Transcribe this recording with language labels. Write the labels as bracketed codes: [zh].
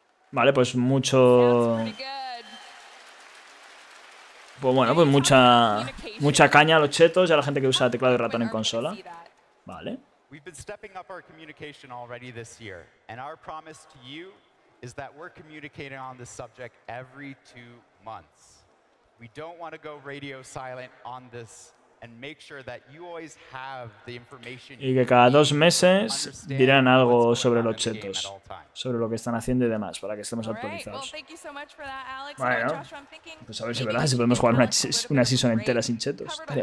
[es] Vale, pues mucho... Pues bueno, pues mucha caña a los chetos y a la gente que usa teclado y ratón en consola. Vale. [en] We've been stepping up our communication already this year. And our promise to you is that we're communicating on this subject every two months. We don't want to go radio silent on this and make sure that you always have the information. [es] Y que cada dos meses dirán algo sobre los chetos, sobre lo que están haciendo y demás, para que estemos actualizados. Bueno, pues a ver si, ¿verdad? Si podemos jugar una season entera sin chetos.